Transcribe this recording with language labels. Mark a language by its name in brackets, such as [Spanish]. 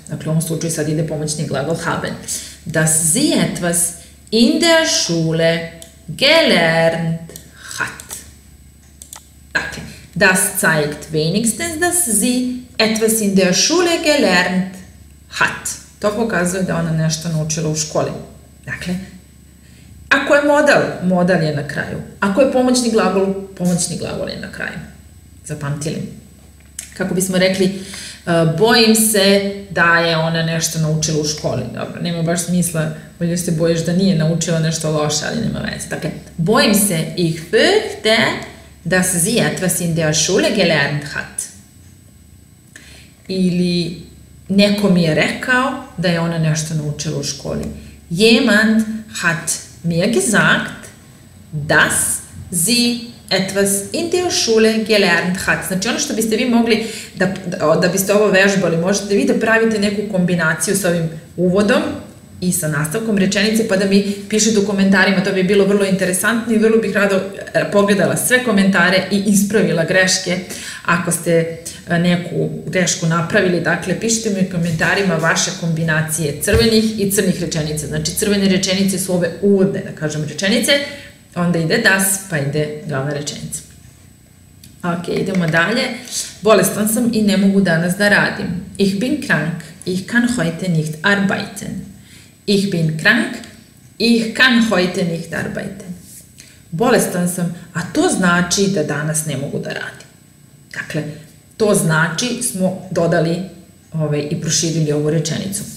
[Serbian] Dakle, u ovom slučaju sad ide pomoćni glagol haben. [German] Das sie etwas in der Schule gelernt hat. [Serbian] Dakle, [German] das zeigt wenigstens, dass sie etwas in der Schule gelernt hat. [Serbian] To pokazuje da ona nešto naučila u školi. Dakle, ako je modal, modal je na kraju. Ako je pomoćni glagol, pomoćni glagol je na kraju. Zapamtili. Kako bismo rekli, bojim se da je ona nešto naučila u školi. Dobro, nema baš smisla, bolje se bojiš da nije naučila nešto loše, ali nema veze. Dakle, bojim se, [German] ich fürchte, dass sie etwas in der Schule gelernt hat. [Serbian] Ili neko mi je rekao da je ona nešto naučila u školi. [German] Jemand hat mir gesagt, dass sie etwas in der Schule gelernt hat. [Serbian] Znači ono što biste vi mogli, da biste ovo vežbali, možete vi da pravite neku kombinaciju s ovim uvodom i sa nastavkom rečenice, pa da mi pišete u komentarima, to bi bilo vrlo interesantno i vrlo bih rado pogledala sve komentare i ispravila greške ako ste neku grešku napravili. Dakle, pišite mi u komentarima vaše kombinacije crvenih i crnih rečenica. Znači, crvene rečenice su ove uvodne, da kažem, rečenice, onda ide das, pa ide glavna rečenica. Ok, idemo dalje. Bolestan sam i ne mogu danas da radim. [German] Ich bin krank, ich kann heute nicht arbeiten. Ich bin krank, ich kann heute nicht arbeiten. [Serbian] Bolestan sam, a to znači da danas ne mogu da radim. Dakle, to znači smo dodali i proširili ovu rečenicu.